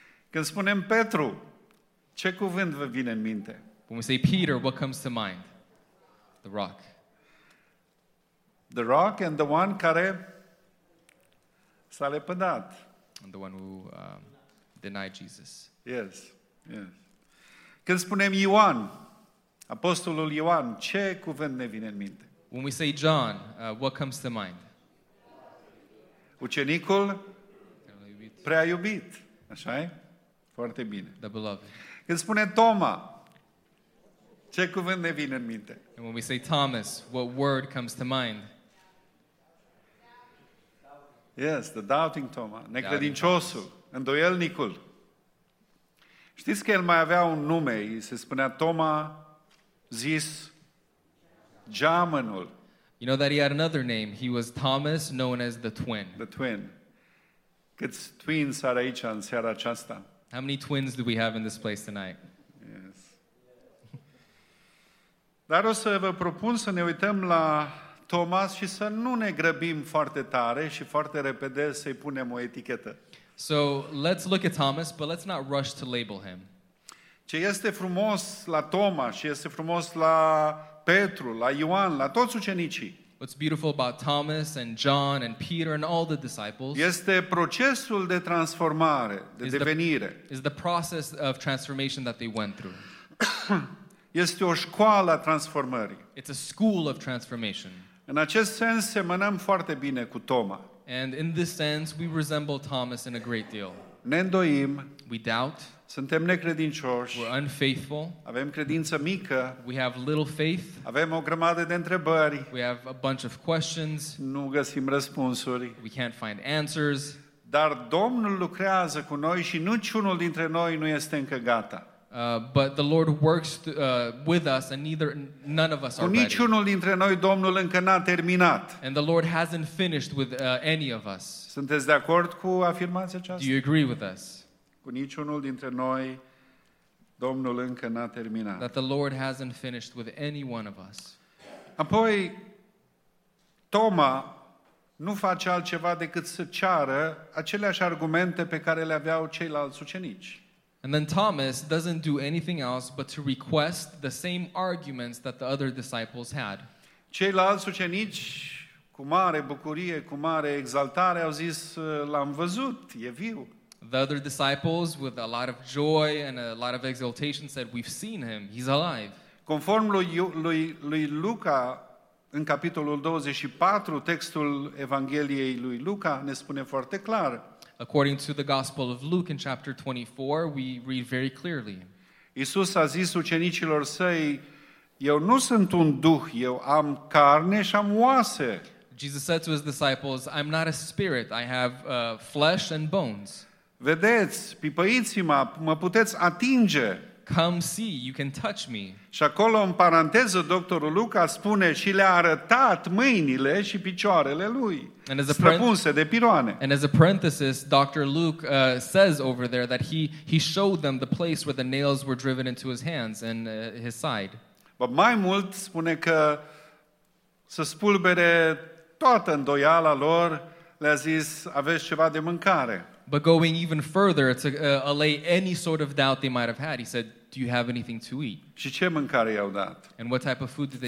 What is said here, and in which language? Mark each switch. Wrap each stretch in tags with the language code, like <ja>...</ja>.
<ro>Când spunem Petru, ce cuvânt vă vine în minte?</ro> <en>When we say Peter, what comes to mind? The rock. The rock and the one</en> <ro>care s-a lepădat.</ro> <en>And the one who denied Jesus. Yes, yes.</en> <ro>Când spunem Ioan, apostolul Ioan, ce cuvânt ne vine în minte?</ro> <en>When we say John, what comes to mind?</en> <ro>Ucenicul prea iubit. Așa e? Foarte bine.</ro> <en>The beloved.</en> <ro>Când spune Toma, ce cuvânt ne vine în minte?</ro> <en>And when we say Thomas, what word comes to mind? Yes, the doubting Toma.</en> <ro>Necredinciosul, îndoielnicul. Știți că el mai avea un nume, îi se spunea Toma, zis geamănul.</ro> <en>You know that he had another name. He was Thomas, known as the twin. The twin.</en> <ro>Câți twins are aici în seara aceasta?</ro> <en>How many twins do we have in this place tonight? Yes.</en> <ro>Dar o să vă propun să ne uităm la Thomas și să nu ne grăbim foarte tare și foarte repede să-i punem o etichetă.</ro> <en>So let's look at Thomas, but let's not rush to label him.</en> <ro>Ce este frumos la Toma și este frumos la Petru, la Ioan, la toți ucenicii.</ro> <en>What's beautiful about Thomas and John and Peter and all the disciples?</en> <ro>Este procesul de transformare, de devenire.</ro> <en>Is the process of transformation that they went through.</en> <ro>Este o școală a transformării.</ro> <en>It's a school of transformation.</en> <ro>În acest sens semănăm foarte bine cu Toma.</ro> <en>And in this sense we resemble Thomas in a great deal.</en> <ro>Ne îndoim.</ro> <en>We doubt.</en> <ro>Suntem necredincioși.</ro> <en>We're unfaithful.</en> <ro>Avem credință mică.</ro> <en>We have little faith.</en> <ro>Avem o grămadă de întrebări.</ro> <en>We have a bunch of questions.</en> <ro>Nu găsim răspunsuri.</ro> <en>We can't find answers.</en> <ro>Dar Domnul lucrează cu noi și niciunul dintre noi nu este încă gata.</ro> <en>But the Lord works with us and none of us are ready.</en> <ro>Niciunul dintre noi Domnul încă n-a terminat.</ro> <en>And the Lord hasn't finished with any of us.</en> <ro>Sunteți de acord cu afirmația aceasta?</ro> <en>Do you agree with us?</en> <ro>Cu niciunul dintre noi Domnul încă n-a terminat.</ro> <en>That the Lord hasn't finished with any one of us.</en> <ro>Apoi Toma nu face altceva decât să ceară aceleași argumente pe care le aveau ceilalți ucenici.</ro> <en>And then Thomas doesn't do anything else but to request the same arguments that the other disciples had.</en> <ro>Ceilalți ucenici cu mare bucurie, cu mare exaltare au zis l-am văzut, e viu.</ro> <en>The other disciples, with a lot of joy and a lot of exultation, said, we've seen him, he's alive.</en> <ro>Conform lui Luca, în capitolul 24, textul Evangheliei lui Luca ne spune foarte clar.</ro> <en>According to the Gospel of Luke, in chapter 24, we read very clearly.</en> <ro>Iisus a zis ucenicilor săi, eu nu sunt un duh, eu am carne și am oase.</ro> <en>Jesus said to his disciples, I'm not a spirit, I have flesh and bones.</en> <ro>Vedeți, pipăiți-mă, mă puteți atinge.</ro> <en>Come see, you can touch me.</en> <ro>Și acolo în paranteză doctorul Luca spune și le-a arătat mâinile și picioarele lui. Străpunse de piroane.</ro> <en>And as a parenthesis, Dr. Luke says over there that he showed them the place where the nails were driven into his hands and his side.</en> <ro>But mai mult spune că să spulbere toată îndoiala lor, le-a zis aveți ceva de mâncare.</ro> <en>But going even further, to allay any sort of doubt they might have had, he said, do you have anything to eat?</en> <ro>Și ce mâncare i-au dat?</ro> <en>And what type of food did they</en>